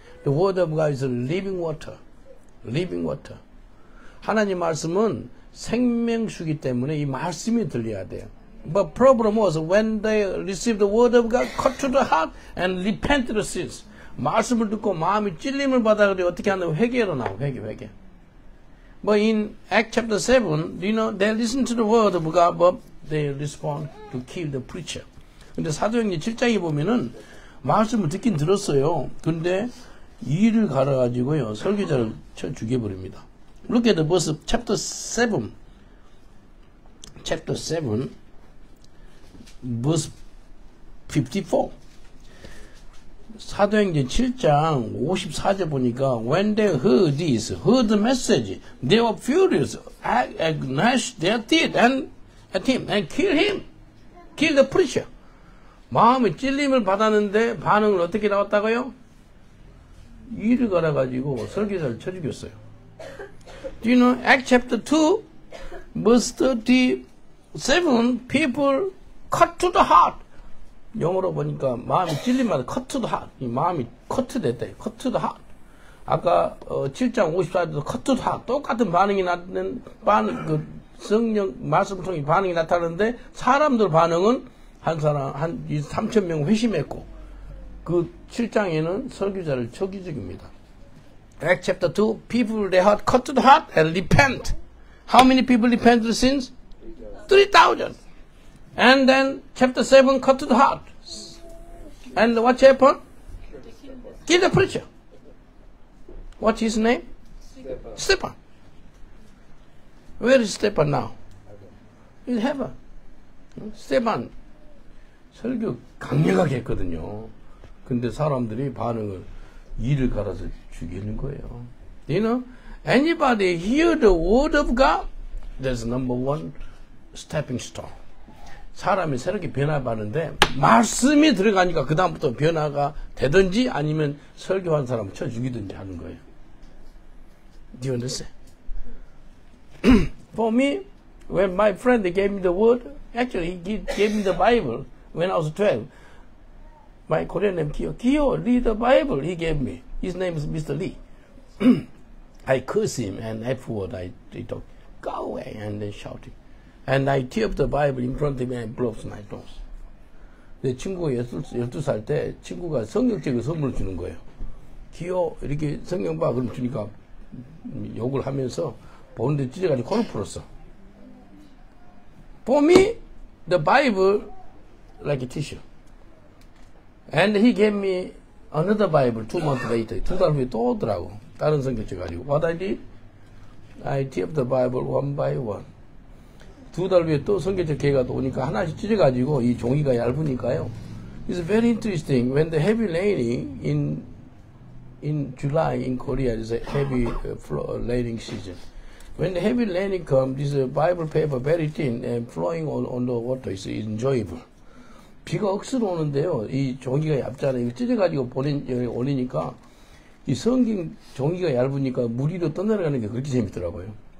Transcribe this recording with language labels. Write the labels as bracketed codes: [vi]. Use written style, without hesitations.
[en] The word of God is a living water. Living water. [ko] 하나님 말씀은 생명수이기 때문에 이 말씀이 들려야 돼요. [en] But problem was when they received the word of God, cut to the heart and repented the sins. [ko] 말씀을 듣고 마음이 찔림을 받아 가지고 어떻게 하는 회개로 나오고 회개. [en] But in Acts chapter 7, do you know they listen to the word of God, but they respond to kill the preacher. [ko] 근데 사도행전 7장에 보면은 말씀을 듣긴 들었어요. 근데 이를 갈아 가지고요 설교자를 쳐 죽여 버립니다. [en] Look at the verse chapter 7. Chapter 7. Verse 54. [ko] 사도행전 7장 54절 보니까 [en] When they heard this, heard the message, they were furious, gnashed their teeth and killed him, killed the preacher. [ko] 마음이 찔림을 받았는데 반응을 어떻게 나왔다고요? 이를 갈아가지고 설교자를 쳐 죽였어요. [en] Do you know Acts chapter 2, verse 37, people cut to the heart. [ko] 영어로 보니까 마음이 찔릴 만한 [en] cut to the heart. [ko] 이 마음이 cut 됐다. cut to the heart. 아까 7장 54절도 [en] cut to the heart. [ko] 똑같은 반응이 나는 그 성령 말씀 통해 반응이 나타나는데 사람들 반응은 한 사람 한 3천 명 회심했고 그 7장에는 설교자를 초기 중입니다. [en] Acts chapter 2, people they had cut to the heart and repent. How many people repented since? 3,000. And then chapter 7, cut to the heart. And what happened? Kill the preacher. What's his name? Stephen. Where is Stephen now? In heaven. Stephen. [ko] 설교 강력하게 했거든요. 근데 사람들이 반응을 이를 갈아서 죽이는 거예요. [en] You know, anybody hear the word of God, there's number one stepping stone. [ko] 사람이 새롭게 변화받는데 말씀이 들어가니까 그 다음부터 변화가 되든지 아니면 설교한 사람 쳐 죽이든지 하는 거예요. [en] Do you understand? For me, when my friend gave me the word, actually he gave me the Bible when I was 12. My Korean name, Kyo. Kyo, read the Bible he gave me. His name is Mr. Lee. I curse him, and afterward, he talk, go away, and then shouting. And I tear up the Bible in front of me and blows my nose. [ko] 내 친구가 12살 때, 친구가 성경책을 선물을 주는 거예요. Kyo, 이렇게 성경 봐. 그럼 주니까 욕을 하면서 보는데 찢어가지고 코를 풀었어. [en] For me, the Bible, like a tissue. And he gave me another Bible 2 months later. [ko] 2달 후에 또 오더라고. 다른 성경책 가지고. [en] What I did? I tear up the Bible one by one. [ko] 2달 후에 또 성경책 걔가 또 오니까 하나씩 찢어가지고 이 종이가 얇으니까요. [en] It's very interesting. When the heavy raining in July in Korea is a heavy raining season. When the heavy raining comes, this Bible paper very thin and flowing on the water is enjoyable. [ko] 비가 억수로 오는데요. 이 종이가 얇잖아요. 찢어가지고 올리니까 이 성경 종이가 얇으니까 물 위로 떠내려가는 게 그렇게 재밌더라고요.